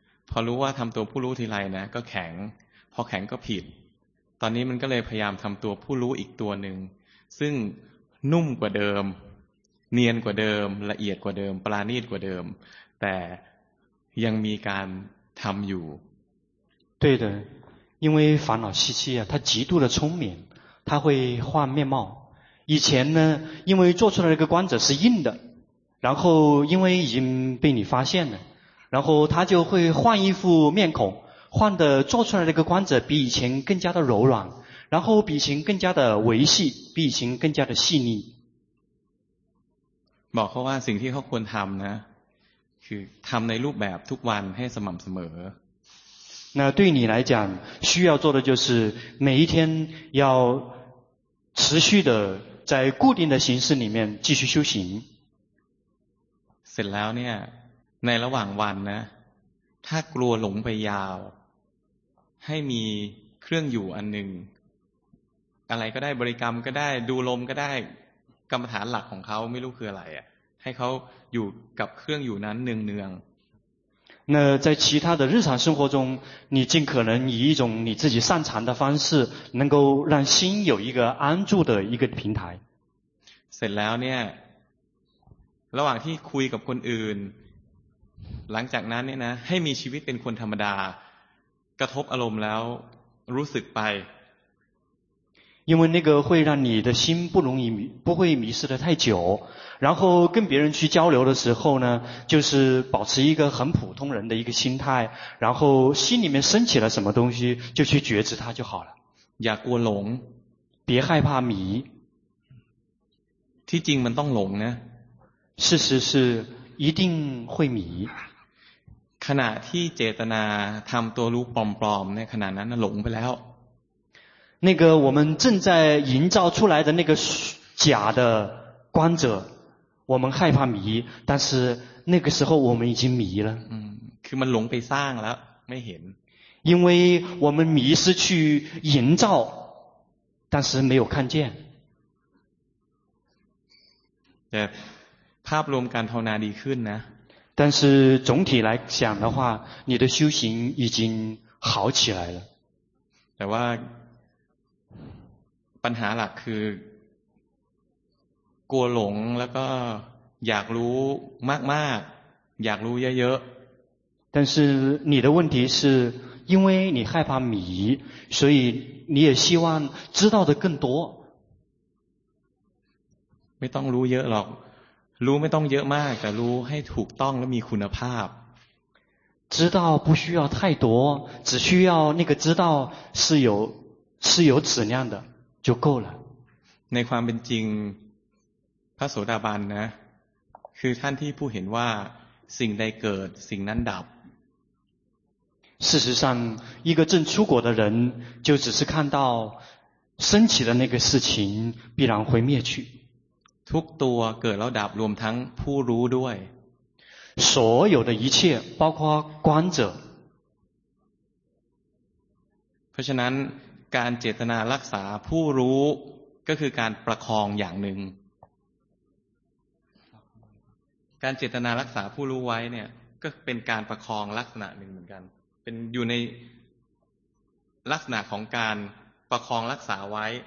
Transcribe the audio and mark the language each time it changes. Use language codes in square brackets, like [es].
[th] พอรู้ว่าทำตัวผู้รู้ทีไรนะก็แข็งพอแข็งก็ผิดตอนนี้มันก็เลยพยายามทำตัวผู้รู้อีกตัวหนึ่งซึ่งนุ่มกว่าเดิมเนียนกว่าเดิมละเอียดกว่าเดิมปราณีตกว่าเดิมแต่ยังมีการทำอยู่ [zh] 对的因为烦恼习气啊，他极度的聪明，他会换面貌。以前呢，因为做出来的那个观者是硬的，然后因为已经被你发现了，然后他就会换一副面孔，换的做出来的那个观者比以前更加的柔软，然后比以前更加的维系，比以前更加的细腻。 [th] บอกเขาว่าสิ่งที่เขาควรทำนะคือทำในรูปแบบทุกวันให้สม่ำเสมอ [zh] 那对你来讲需要做的就是每一天要持续的在固定的形式里面继续修行 [th] เสร็จแล้วเนี่ยในระหว่างวันนะถ้ากลัวหลงไปยาวให้มีเครื่องอยู่อันหนึ่งอะไรก็ได้บริกรรมก็ได้ดูลมก็ได้กรรมฐานหลักของเขาไม่รู้คืออะไรอ่ะให้เขาอยู่กับเครื่องอยู่นั้นเนืองๆ [zh] 那在其他的日常生活中你尽可能以一种你自己擅长的方式能够让心有一个安住的一个平台 [th] เสร็จแล้วเนี่ยระหว่างที่คุยกับคนอื่นหลังจากนั้นเนี่ยนะให้มีชีวิตเป็นคนธรรมดากระทบอารมณ์แล้วรู้สึกไป [zh] 因为那个会让你的心不容易不会迷失的太久然后跟别人去交流的时候呢就是保持一个很普通人的一个心态然后心里面升起了什么东西就去觉知它就好了 [th] อย่ากลัวหลง [zh] 别害怕迷 [th] ที่จริงมันต้องหลงนะ [zh] 事实是一定会迷 [th] ขณะที่เจตนาทำตัวรู้ปลอมๆในขณะนั้นหลงไปแล้ว นั่นก็ [zh] 我们正在营造出来的那个假的观者我们害怕迷但是那个时候我们已经迷了 [th] คือมันหลงไปสร้างแล้วไม่เห็น [zh] 因为我们迷失去营造但是没有看见 [th] แต่ภาพรวมการภาวนาดีขึ้นนะ [zh] 但是总体来讲的话你的修行已经好起来了 [th] แต่ว่าปัญหาหลักคือกลัวหลงแล้วก็อยากรู้มากๆอยากรู้เยอะ [zh] ๆ但是你的问题是因为你害怕迷所以你也希望知道的更多 [th] ไม่ต้องรู้เยอะหรอกรู้ไม่ต้องเยอะมากแต่รู้ให้ถูกต้องและมีคุณภาพ [zh] 知道不需要太多，只需要那个知道是有是有质量的就够了。 [th] ในความเป็นจริงพระโสดาบันนะคือท่านที่ผู้เห็นว่าสิ่งใดเกิดสิ่งนั้นดับ [zh] 事实上一个正出果的人就只是看到升起的那个事情必然会灭去 [th] ทุกตัวเกิดแล้วดับรวมทั้งผู้รู้ด้วย [zh] 所有的一切包括观者 [th] เพราะฉะนั้นการเจตนารักษาผู้รู้ก็คือการประคองอย่างหนึ่งการเจตนารักษาผู้รู้ไว้เนี่ยก็เป็นการประคองลักษณะหนึ่งเหมือนกันเป็นอยู่ในลักษณะของการประคองรักษาไว